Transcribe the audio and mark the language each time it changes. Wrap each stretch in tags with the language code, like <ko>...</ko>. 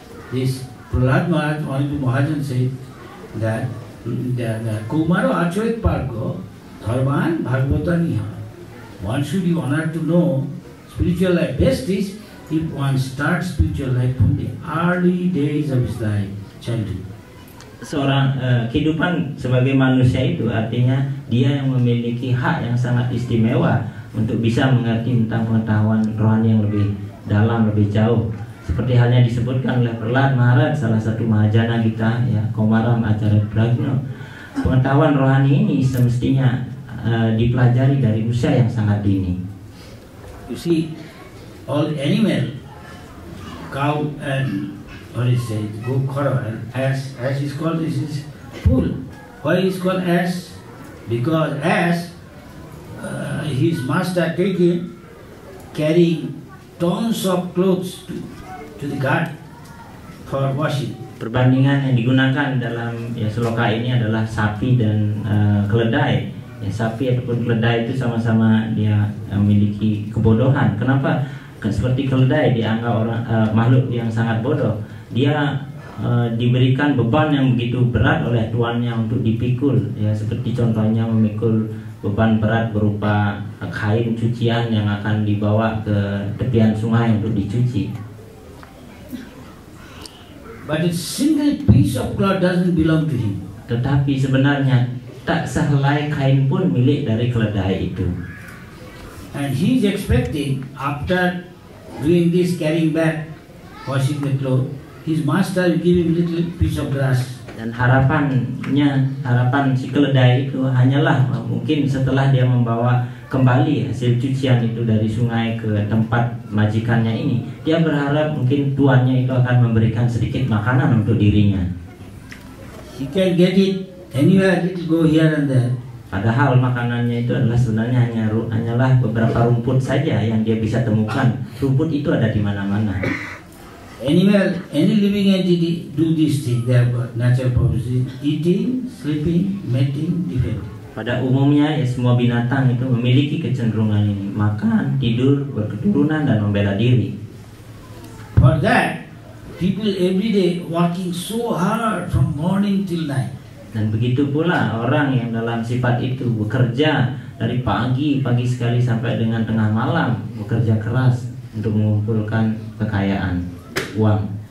<en>This Prahlad Maharaj, only Mahajan said that the Kumaro Achyut Parko, Dharman Bhagavata Niha. One should be honored to know spiritual life best is if one starts spiritual life from the early days of his life, childhood.</en> <id>Seorang kehidupan sebagai manusia itu artinya dia yang memiliki hak yang sangat istimewa untuk bisa mengerti tentang pengetahuan rohani yang lebih dalam, lebih jauh. Seperti halnya disebutkan oleh Prahlad Maharaj, salah satu mahajana kita, ya, Komaram Acara Pragno. Pengetahuan rohani ini semestinya dipelajari dari usia yang sangat dini.</id> <en>You see, all animal, cow and what is it, goat, caravan, ass is called, this is fool. Why is called ass? Because ass, his master take him, carry tons of clothes to the guard for washing.</en> <id>Perbandingan yang digunakan dalam ya seloka ini adalah sapi dan keledai. Ya, sapi ataupun keledai itu sama-sama dia memiliki kebodohan. Kenapa? Seperti keledai dianggap orang makhluk yang sangat bodoh. Dia diberikan beban yang begitu berat oleh tuannya untuk dipikul. Ya, seperti contohnya memikul beban berat berupa kain cucian yang akan dibawa ke tepian sungai untuk dicuci.</id> <en>But a single piece of cloth doesn't belong to him.</en> <id>Tetapi sebenarnya tak sehelai kain pun milik dari keledai itu.</id> <en>And he's expecting after doing this, carrying back, washing the cloth, his master will give him little piece of grass.</en> <id>Dan harapannya, harapan si keledai itu hanyalah mungkin setelah dia membawa kembali hasil cucian itu dari sungai ke tempat majikannya ini, dia berharap mungkin tuannya itu akan memberikan sedikit makanan untuk dirinya.</id> <en>He can get it anywhere, it go here and there.</en> <id>Padahal makanannya itu adalah sebenarnya hanyalah beberapa rumput saja yang dia bisa temukan. Rumput itu ada di mana-mana.</id> <en>Animal, any living entity do this thing. They have natural purposes: eating, sleeping, mating, defending.</en> <id>Pada umumnya, ya, semua binatang itu memiliki kecenderungan ini: makan, tidur, berketurunan, dan membela diri.</id> <en>For that, people every day working so hard from morning till night.</en> <id>Dan begitu pula orang yang dalam sifat itu bekerja dari pagi sekali sampai dengan tengah malam, bekerja keras untuk mengumpulkan kekayaan, uang.</id>